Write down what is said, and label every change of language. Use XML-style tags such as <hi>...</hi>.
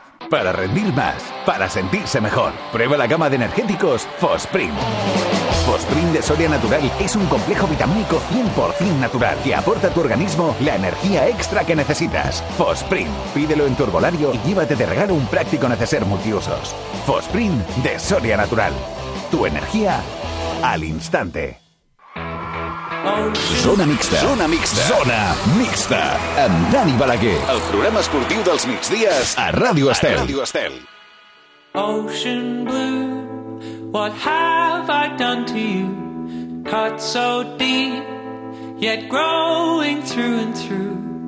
<es>Para rendir más, para sentirse mejor, prueba la gama de energéticos Fosprint. Fosprint de Sòria Natural es un complejo vitamínico 100% natural que aporta a tu organismo la energía extra que necesitas. Fosprint, pídelo en tu herbolario y llévate de regalo un práctico neceser multiusos. Fosprint de Sòria Natural. Tu energía al instante.</es> <ca>Zona Mixta. Zona Mixta. Zona Mixta. Amb Dani Balaguer. El programa esportiu dels migdies a Ràdio Estel. A Ràdio Estel.</ca> <en>Ocean Blue, what have I done to you? Cut so deep, yet growing through and through.</en>